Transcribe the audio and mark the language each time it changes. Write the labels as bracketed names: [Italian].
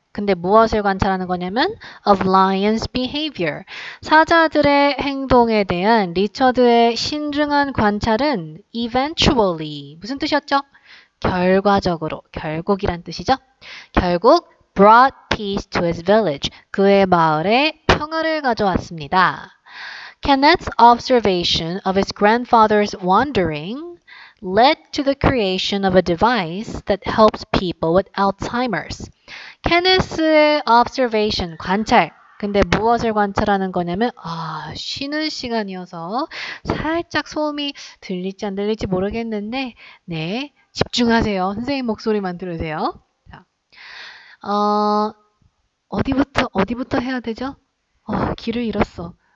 [Korean] 근데 무엇을 관찰하는 거냐면 [English] of lion's behavior, [Korean] 사자들의 행동에 대한 리처드의 신중한 관찰은 eventually, 무슨 뜻이었죠? 결과적으로, 결국이란 뜻이죠. 결국 [English] brought peace to his village. [Korean] 그의 마을에 평화를 가져왔습니다. [English] Kenneth's observation of his grandfather's wandering led to the creation of a device that helps people with Alzheimer's. [Korean] Kenneth의 observation, 관찰. 근데 무엇을 관찰하는 거냐면 아, 쉬는 시간이어서 살짝 소음이 들릴지 안 들릴지 모르겠는데 네, 집중하세요. 선생님 목소리만 들으세요. 어디부터 해야 되죠? 길을 잃었어.